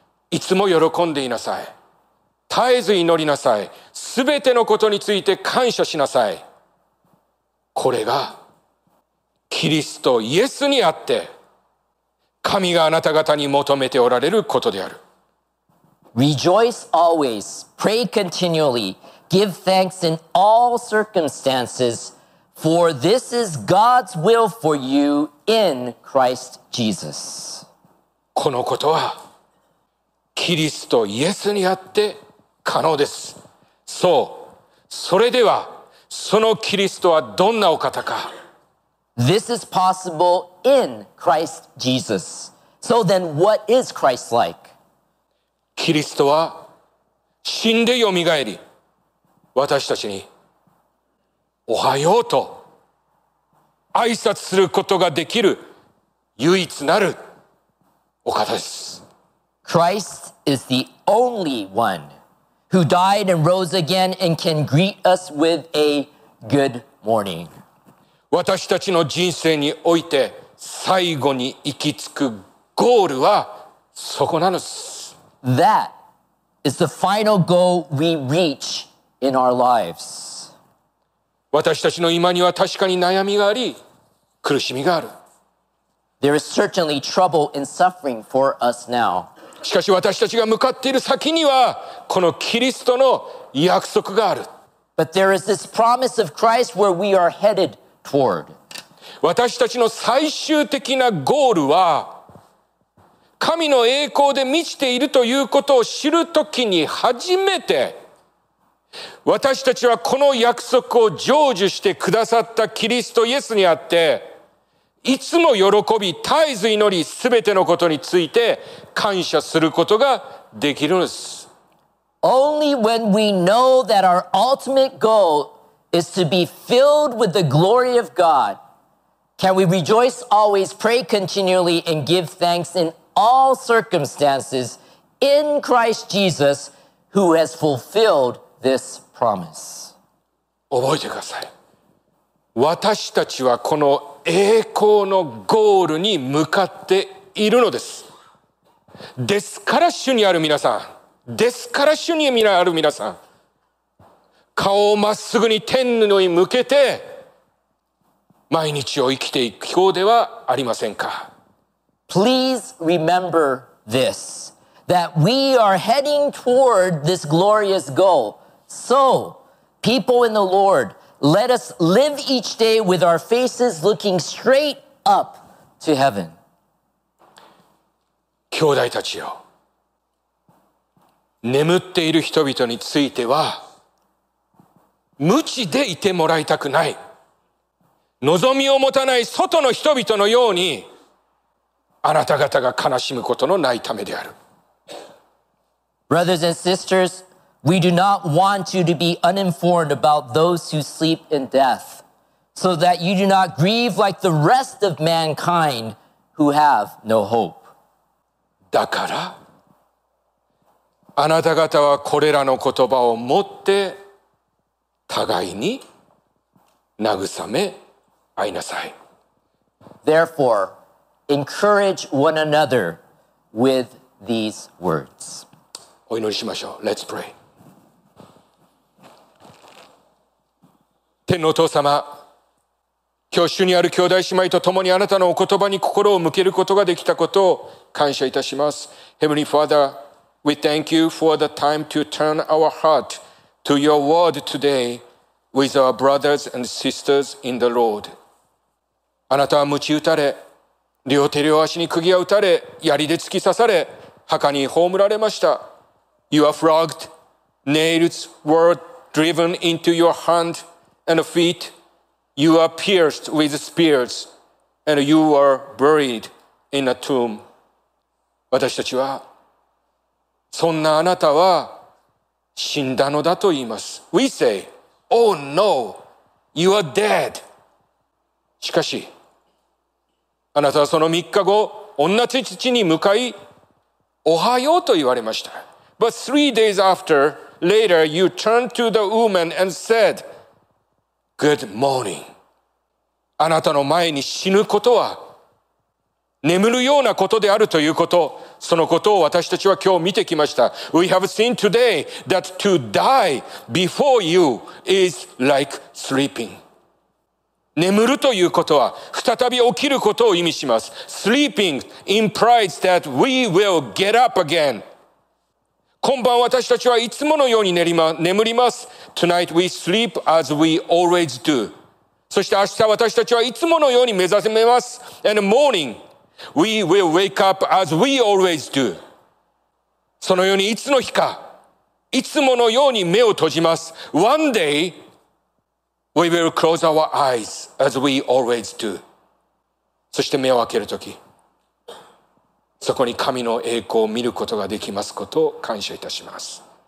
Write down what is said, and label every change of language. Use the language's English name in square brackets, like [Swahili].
[Japanese] いつも喜んでいなさい。絶えず祈りなさい。すべてのことについて感謝しなさい。これがキリストイエスにあって神があなた方に求めておられることである。 [English] Rejoice always, pray continually. Give thanks in all circumstances, for this is God's will for you in Christ Jesus. [Japanese] このことはキリストイエスにあって可能です。そう、それではそのキリストはどんなお方か。 [English] This is possible in Christ Jesus. So then what is Christ like? [Japanese] キリストは死んでよみがえり。私たちにおはようと挨拶することができる唯一なるお方です。 [English] Christ is the only one who died and rose again and can greet us with a good morning. [Japanese] 私たちの人生において最後に行き着くゴールはそこなのです。 [English] That is the final goal we reach in our lives. [Japanese] 私たちの今には確かに悩みがあり、苦しみがある。 [English] There is certainly trouble and suffering for us now. [Japanese] しかし私たちが向かっている先にはこのキリストの約束がある。 [English] But there is this promise of Christ where we are headed toward. [Japanese] 私たちの最終的なゴールは神の栄光で満ちているということを知るときに初めて私たちはこの約束を成就してくださったキリストイエスにあっていつも喜び絶えず祈りすべてのことについて感謝することができるんです。 [English] Only when we know that our ultimate goal is to be filled with the glory of God can we rejoice always, pray continually and give thanks inAll circumstances in Christ Jesus who has fulfilled this promise. [Japanese] 覚えてください。私たちはこの栄光のゴールに向かっているのです。ですから主にある皆さん、ですから主にある皆さん、顔をまっすぐに天に向けて毎日を生きていくようではありませんか。 [English] Please remember this, that we are heading toward this glorious goal. So, people in the Lord, let us live each day with our faces looking straight up to heaven. [Japanese] 兄弟たちよ、眠っている人々については、無知でいてもらいたくない。望みを持たない外の人々のように、あなた方が悲しむことのないためである。 [English] Brothers and sisters, we do not want you to be uninformed about those who sleep in death, so that you do not grieve like the rest of mankind who have no hope. [Japanese] だから、あなた方はこれらの言葉を持って互いに慰め合いなさい。 [English] Therefore,Encourage one another with these words. [Japanese] お祈りしましょう。 [English] Let's pray. [Japanese] 天のお父様、今日主にある兄弟姉妹と共にあなたのお言葉に心を向けることができたことを感謝いたします。 [English] Heavenly Father, we thank you for the time to turn our heart to your word today with our brothers and sisters in the Lord. [Japanese] あなたは鞭打たれ、両手両足に釘が打たれ、槍で突き刺され、墓に葬られました。 [English] You are flogged, nails were driven into your hand and feet. You are pierced with spears, and you are buried in a tomb. [Japanese] 私たちは、そんなあなたは死んだのだと言います。 [English] We say, oh no, you are dead. [Japanese] しかし、あなたはその3日後、女父に向かい、おはようと言われました。 [English] But three days after, later, you turned to the woman and said, Good morning. [Japanese] あなたの前に死ぬことは、眠るようなことであるということ、そのことを私たちは今日見てきました。 [English] We have seen today that to die before you is like sleeping. [Japanese] 眠るということは再び起きることを意味します。 [English] Sleeping implies that we will get up again. [Japanese] 今晩私たちはいつものように眠ります。 [English] Tonight we sleep as we always do. [Japanese] そして明日私たちはいつものように目覚めます。 [English] And morning we will wake up as we always do. [Japanese] そのようにいつの日か、いつものように目を閉じます。 [English] One dayWe will close our eyes as we always do. [Japanese] そして目を開けるとき、そこに神の栄光を見ることができますことを感謝いたします。